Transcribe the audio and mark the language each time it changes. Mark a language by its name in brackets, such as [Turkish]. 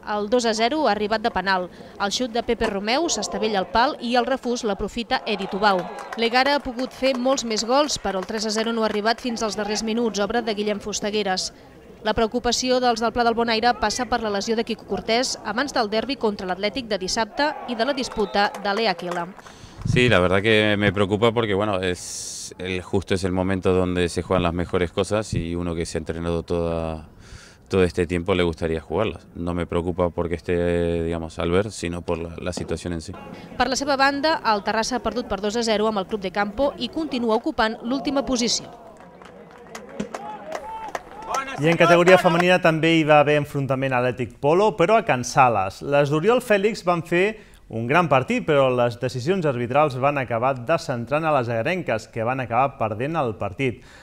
[Catalan] El 2-0 ha arribat de penal. El xut de Pepe Romeu s'estavella al pal i el refús l'aprofita Edi Tubau. L'Egara ha pogut fer molts més gols, però el 3-0 no ha arribat fins als darrers minuts, obra de Guillem Fustegueres. La preocupació dels del Pla del Bonaire passa per la lesió de Quico Cortés abans del derbi contra l'Atlètic de dissabte i de la disputa de l'Eaquila. [Spanish] Sí, la verdad que me preocupa porque bueno, es el momento donde se juegan las mejores cosas y uno que se ha entrenado todo este tiempo le gustaría jugarlas. No me preocupa porque esté, digamos, Albert, sino por la situación en sí. [Catalan] Per la seva banda, el Terrassa ha perdut per 2-0 amb el Club de Campo i continua ocupant l'última posició. I en categoria femenina també hi va haver enfrontament a l'Atlètic Polo, però a Can Sales. Les d'Oriol Fèlix van fer un gran partit, però les decisions arbitrals van acabar descentrant a les agarenques, que van acabar perdent el partit.